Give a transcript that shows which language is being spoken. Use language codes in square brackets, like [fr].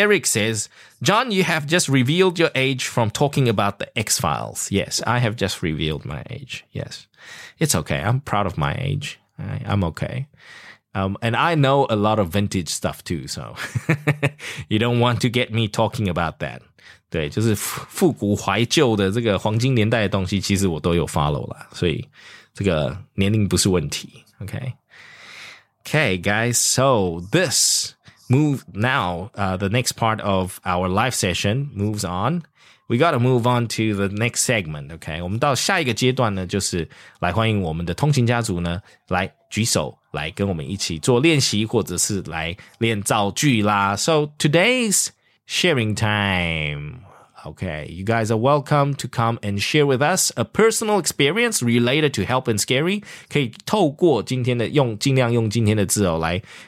[en] Eric says, John, you have just revealed your age from talking about the X-Files. Yes, I have just revealed my age. Yes, it's okay. I'm proud of my age. I'm okay. And I know a lot of vintage stuff too, so you don't want to get me talking about that. [zh] 对，就是复古怀旧的这个黄金年代的东西，其实我都有 follow 啦，所以这个年龄不是问题。 [en] Okay, okay, guys. So this move now. The next part of our live session moves on. We gotta move on to the next segment. [zh] Okay, 我们到下一个阶段呢，就是来欢迎我们的通勤家族呢来举手。来跟我们一起做练习或者是来练造句啦 [en] So today's sharing time Okay, you guys are welcome to come and share with us A personal experience related to help and scary [zh] 可以透过今天的用尽量用今天的字哦来